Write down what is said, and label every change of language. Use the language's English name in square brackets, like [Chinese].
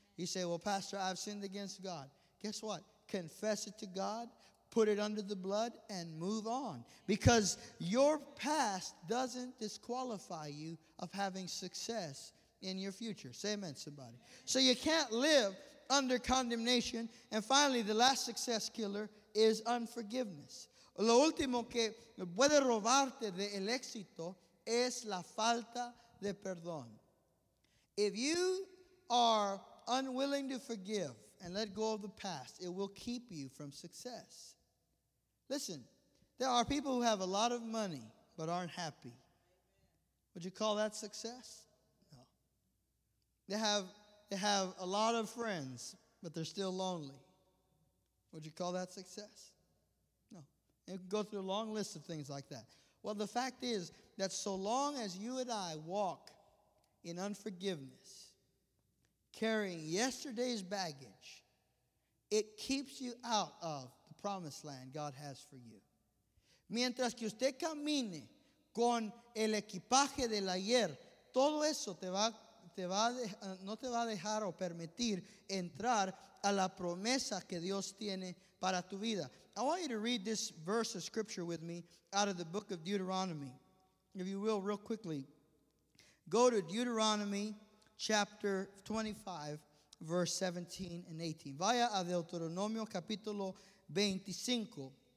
[English] You say, well, Pastor, I've sinned against God. Guess what? Confess it to God, put it under the blood, and move on. Because your past doesn't disqualify you of having success in your future. Say amen, somebody. So you can't live under condemnation. And finally, the last success killer is unforgiveness. [Spanish] Lo último que puede robarte del éxito es la falta de perdón. [English] If you are unwilling to forgive and let go of the past, it will keep you from success. Listen, there are people who have a lot of money but aren't happy. Would you call that success? No. They have a lot of friends, but they're still lonely. Would you call that success? No. You can go through a long list of things like that. Well, the fact is that so long as you and I walk in unforgiveness, carrying yesterday's baggage, it keeps you out of the promised land God has for you. [Spanish] Mientras que usted camine con el equipaje del ayer, todo eso no te va a dejar o permitir entrar a la promesa que Dios tiene para tu vida. [English] I want you to read this verse of scripture with me out of the book of Deuteronomy. If you will, real quickly, go to Deuteronomy chapter 25, verse 17 and 18. [Spanish] Vaya a Deuteronomio capítulo 25.